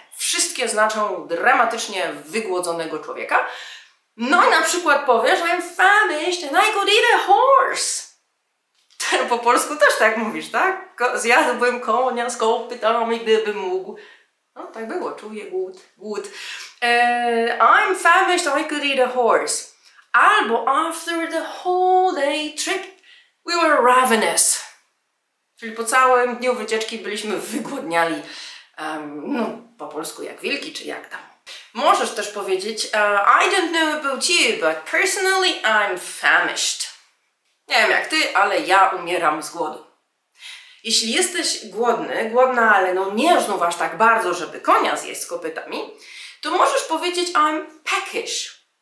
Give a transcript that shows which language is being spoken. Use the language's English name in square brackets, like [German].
[Polish] Wszystkie znaczą dramatycznie wygłodzonego człowieka. No i na przykład powiesz, [English] I'm famished and I could eat a horse. [Polish] Ten po polsku też tak mówisz, tak? Zjadłbym konia z kopytami, gdybym mógł. No, tak było, czuję głód, głód. [English] I'm famished, I could eat a horse. Albo after the whole day trip, we were ravenous. [Polish] Czyli po całym dniu wycieczki byliśmy wygłodniali, no, po polsku jak wilki, czy jak tam. Możesz też powiedzieć, [English] I don't know about you, but personally I'm famished. [Polish] Nie wiem jak ty, ale ja umieram z głodu. Jeśli jesteś głodny, głodna, ale no nie znów aż tak bardzo, żeby konia zjeść z kopytami, to możesz powiedzieć [English] I'm peckish.